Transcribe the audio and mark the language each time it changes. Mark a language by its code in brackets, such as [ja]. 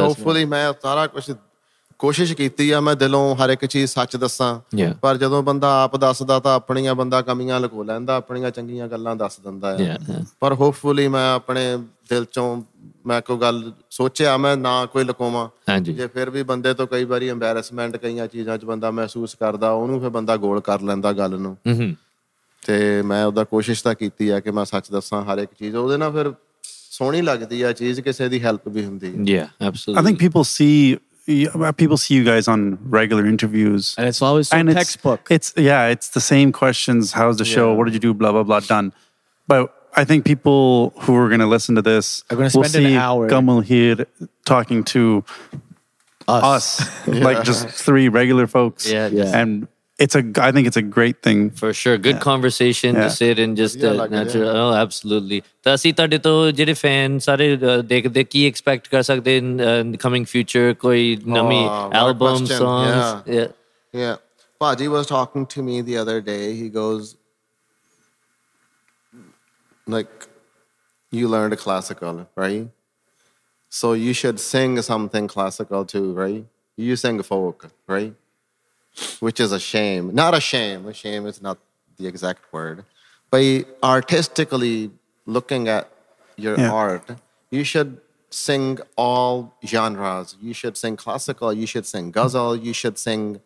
[pa] Hopefully ਮੈਂ ਸਾਰਾ ਕੁਝ ਕੋਸ਼ਿਸ਼ ਕੀਤੀ ਆ ਮੈਂ ਦਿਲੋਂ ਹਰ ਇੱਕ ਚੀਜ਼ ਸੱਚ ਦੱਸਾਂ ਪਰ ਜਦੋਂ ਬੰਦਾ ਆਪ ਦੱਸਦਾ ਤਾਂ ਆਪਣੀਆਂ ਬੰਦਾ ਕਮੀਆਂ ਲੁਕੋ ਲੈਂਦਾ ਆਪਣੀਆਂ ਚੰਗੀਆਂ ਗੱਲਾਂ ਦੱਸ ਦਿੰਦਾ ਹੈ ਪਰ ਹੋਪਫੁਲੀ ਮੈਂ ਆਪਣੇ ਦਿਲ ਚੋਂ ਮੈਂ ਕੋਈ ਗੱਲ ਸੋਚਿਆ ਮੈਂ ਨਾ ਕੋਈ ਲੁਕੋਵਾਂ ਜੇ ਫਿਰ ਵੀ ਬੰਦੇ ਤੋਂ ਕਈ ਵਾਰੀ ਐਂਬੈਰਸਮੈਂਟ ਕਈਆਂ ਚੀਜ਼ਾਂ 'ਚ ਬੰਦਾ ਮਹਿਸੂਸ ਕਰਦਾ ਉਹਨੂੰ ਫਿਰ ਬੰਦਾ ਗੋਲ ਕਰ ਲੈਂਦਾ ਗੱਲ ਨੂੰ ਅਤੇ ਮੈਂ ਉਹਦਾ ਕੋਸ਼ਿਸ਼ ਤਾਂ ਕੀਤੀ ਆ ਕਿ ਮੈਂ ਸੱਚ ਦੱਸਾਂ ਹਰ ਇੱਕ ਚੀਜ਼ ਉਹਦੇ ਨਾਲ ਫਿਰ ਸੋਹਣੀ ਲੱਗਦੀ ਆ ਚੀਜ਼ ਕਿਸੇ ਦੀ ਹੈਲਪ ਵੀ ਹੁੰਦੀ [en] People see you guys on regular interviews. And it's always so textbook. It's the same questions. How's the show? What did you do? Blah, blah, blah. Done. But I think people who are going to listen to this will see Kamal Heer talking to us. Like just three regular folks. Yeah. And I think it's a great thing. For sure. Good conversation to sit in just natural. Yeah. Oh, absolutely. [pa] ਅਸੀਂ ਤੁਹਾਡੇ ਤੋਂ ਜਿਹੜੇ fan ਸਾਰੇ ਦੇਖਦੇ ਕੀ expect ਕਰ ਸਕਦੇ [en] in coming future [pa] ਕੋਈ ਨਵੀਂ ਐਲਬਮ ਸੌਂਗ [en] ਯਾ ਭਾਜੀ was talking to me the other day he goes like you learned classical right so you should sing something classical too right you sing folk right which is a shame not a shame a shame is not the exact word but artistically looking at your art you should sing all genres you should sing classical you should sing ghazal you should sing